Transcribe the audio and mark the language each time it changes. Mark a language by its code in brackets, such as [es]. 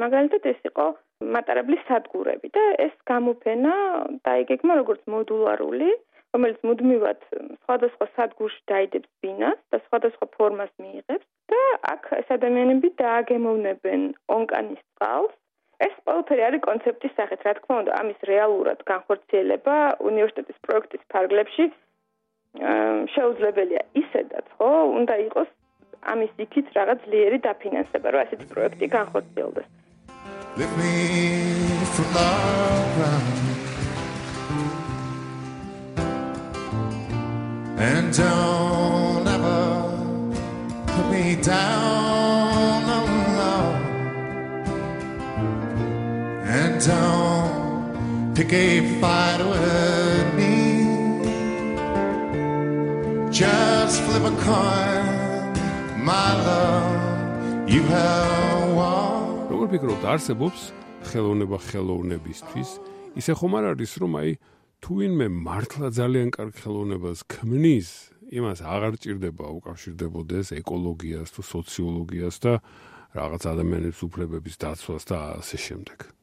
[ka] მაგალითად, ეს იყო მატარებლის სადგურები და ეს გამოფენა დაიგეგმა როგორც მოდულარული, რომელიც მუდმივად სხვადასხვა სადგურში დაიდებს ბინას და სხვადასხვა ფორმას მიიღებს და აქ ეს ადამიანები დააგემოვნებენ ონკანის წყალს. ეს ყველაფერი არის კონცეფტის სახით, რა თქმა უნდა, ამის რეალურად განხორციელება უნივერსიტეტის პროექტის ფარგლებში შეუძლებელია ისედაც, ხო? უნდა იყოს ამის იქით რაღაც ძლიერი დაფინანსება, რომ ასეთი პროექტი განხორციელდეს. [en] Let me from the ground and don't ever put me down, oh no, and don't pick a fight with me, just flip a coin, my love, you have won. [ka] ვფიქრობთ, არსებობს ხელოვნება ხელოვნებისთვის? ისე ხომ არ არის, რომ აი თუ ვინმე მართლა ძალიან კარგ ხელოვნებას ქმნის, იმას აღარ ჭირდება უკავშირდებოდეს ეკოლოგიას თუ სოციოლოგიას და რაღაც ადამიანის უფლებების დაცვას და ასე შემდეგ?